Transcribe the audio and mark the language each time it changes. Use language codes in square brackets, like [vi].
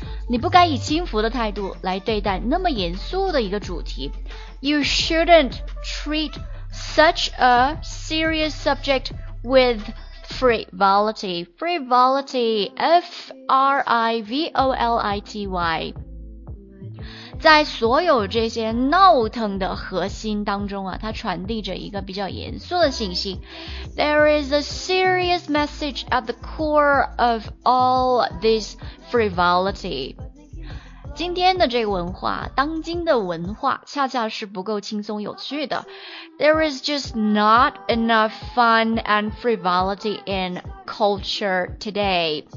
[zh] 你不该以轻浮的态度来对待那么严肃的一个主题。 [en] You shouldn't treat such a serious subject with frivolity. Frivolity, F-R-I-V-O-L-I-T-Y。 [zh] 在所有这些闹腾的核心当中啊，它传递着一个比较严肃的信息。 [en] There is a serious message at the core of all this frivolity。 [zh] 今天的这个文化，当今的文化，恰恰是不够轻松有趣的。 [en] There is just not enough fun and frivolity in culture today.